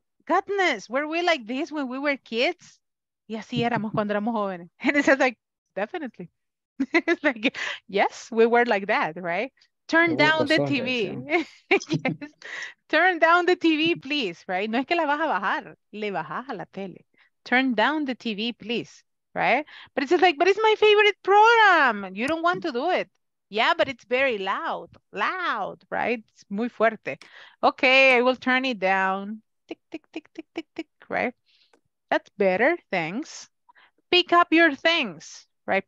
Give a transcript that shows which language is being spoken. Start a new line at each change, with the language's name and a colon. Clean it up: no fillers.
English: Goodness, were we like this when we were kids?
Spanish: Y así éramos cuando éramos jóvenes.
English: And it's like, definitely. It's like, yes, we were like that, right? Turn down the TV. Yes. Turn down the TV, please, right?
Spanish: No es que la vas a bajar, le bajas a la tele.
English: Turn down the TV, please, right? But it's just like, but it's my favorite program. You don't want to do it. Yeah, but it's very loud, right? It's
Spanish: muy fuerte.
English: Okay, I will turn it down. Tick, tick, tick, tick, tick, tick, right? That's better, thanks. Pick up your things, right?